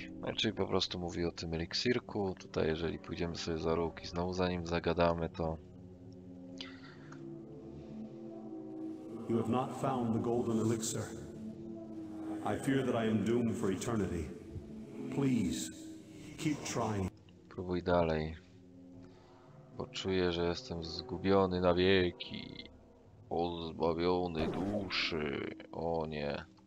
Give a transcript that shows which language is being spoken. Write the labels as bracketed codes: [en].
[pl] No, czyli po prostu mówi o tym eliksirku. Tutaj jeżeli pójdziemy sobie za róg i znowu za nim zagadamy, to... [en] You have not found the golden elixir. I fear that I am doomed for eternity. Please, keep trying. [pl] Próbuj dalej. Bo czuję, że jestem zgubiony na wieki. Pozbawiony duszy. O nie.